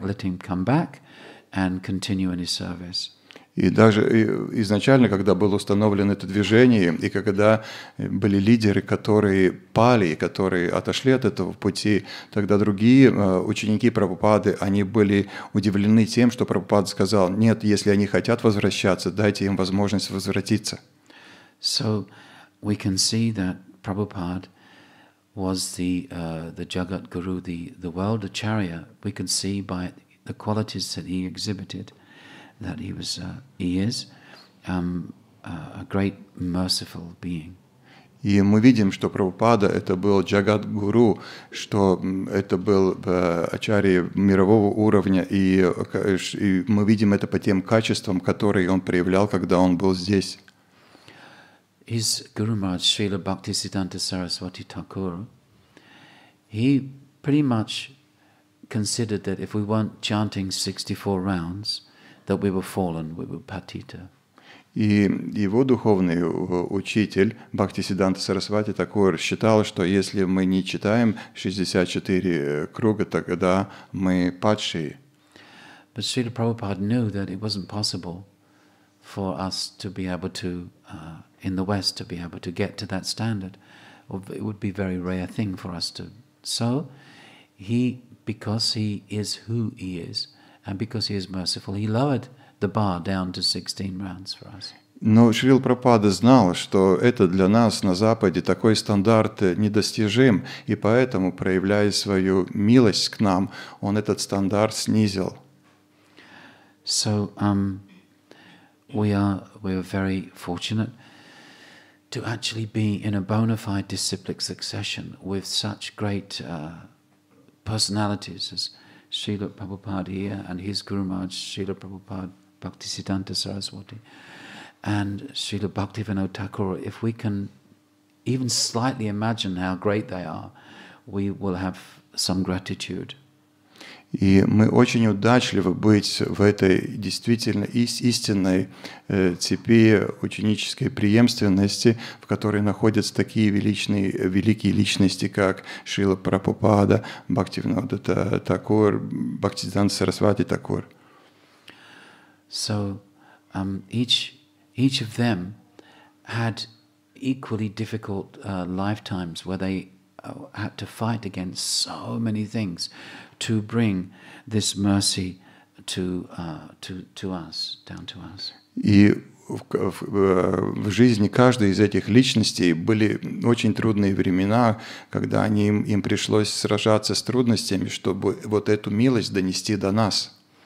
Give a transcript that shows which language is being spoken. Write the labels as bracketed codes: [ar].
[en] Let him come back and continue in his service." [ru] И даже изначально, когда было установлено это движение, и когда были лидеры, которые пали, которые отошли от этого пути, тогда другие ученики Прабхупады, они были удивлены тем, что Прабхупада сказал: "Нет, если они хотят возвращаться, дайте им возможность возвратиться." [en] So we can see that Prabhupada was the Jagat Guru, the world acharya. We can see by the qualities that he exhibited that he is a great merciful being. [ru] И мы видим, что Прабхупада это был Джагат Гуру, что это был ачарья мирового уровня, и мы видим это по тем качествам, которые он проявлял, когда он был здесь. [en] His Guru Maharaj, Srila Bhaktisiddhanta Saraswati Thakur, he pretty much considered that if we weren't chanting 64 rounds, that we were fallen, we were patita. [ru] И его духовный учитель, Бхактисиддханта Сарасвати Такур, считал, что если мы не читаем 64 круга, тогда мы падшие. [en] But Srila Prabhupada knew that it wasn't possible for us to be able to in the West to be able to get to that standard. It would be a very rare thing for us to. So he, because he is who he is, and because he is merciful, he lowered the bar down to 16 rounds for us. [ru] Но Шрил Прабхупада знал, что это для нас на Западе такой стандарт недостижим, и поэтому, проявляя свою милость к нам, он этот стандарт снизил. [en] So we are very fortunate to actually be in a bona fide disciplic succession with such great personalities as Srila Prabhupada here and his Guru Maharaj, Srila Prabhupada Bhaktisiddhanta Saraswati, and Srila Bhaktivinoda Thakur. If we can even slightly imagine how great they are, we will have some gratitude. [ru] И мы очень удачливы быть в этой действительно истинной цепи ученической преемственности, в которой находятся такие великие личности, как Шрила Прабхупада, Бхактивинода Такур, Бхактисиддханта Сарасвати Такур. [en] So each of them had equally difficult lifetimes where they had to fight against so many things to bring this mercy to us, down to us. [ru] И в жизни каждой из этих личностей были очень трудные времена, когда им пришлось сражаться с трудностями, чтобы вот эту милость донести до нас.